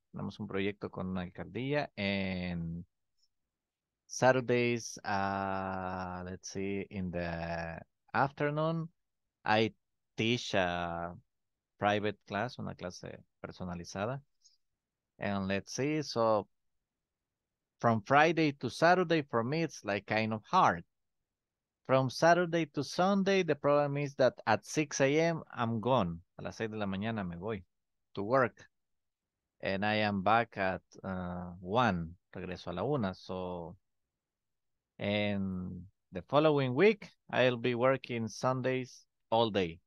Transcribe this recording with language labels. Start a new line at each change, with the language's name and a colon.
Spanish: Tenemos un proyecto con la alcaldía.
English: And Saturdays, let's see, in the afternoon, I teach a private class,
Spanish: una clase personalizada.
English: And let's see, so from Friday to Saturday, for me, it's like kind of hard. From Saturday to Sunday, the problem is that at 6 a.m., I'm gone.
Spanish: A las 6 de la mañana me voy
English: to work. And I am back at 1.
Spanish: Regreso a la 1.
English: So, and the following week, I'll be working Sundays all day.